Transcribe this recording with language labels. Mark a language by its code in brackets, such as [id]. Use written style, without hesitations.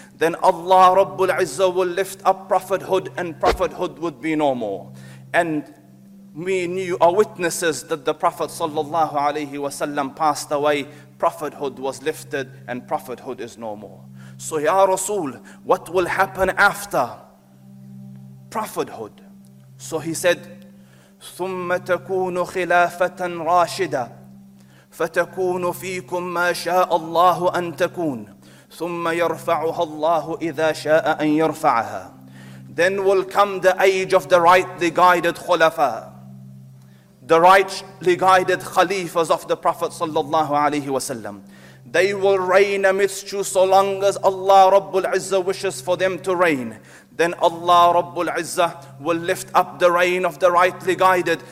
[en] Then Allah Rabbul Izzah will lift up prophethood, and prophethood would be no more. And me and you are witnesses that the Prophet sallallahu alayhi wa sallam passed away, prophethood was lifted, and prophethood is no more. So ya Rasul, what will happen after prophethood? So he said, [ar] ثُمَّ تَكُونُ خِلَافَةً رَاشِدًا فتكون فيكم ما شاء الله أن تكون ثم يرفعها الله إذا شاء أن يرفعها. [en] Then will come the age of the rightly guided khulafa, the rightly guided khalifas of the Prophet sallallahu alayhi wa sallam. They will reign amidst you so long as Allah Rabbul Izzah wishes for them to reign. Then Allah Rabbul Izzah will lift up the reign of the rightly guided.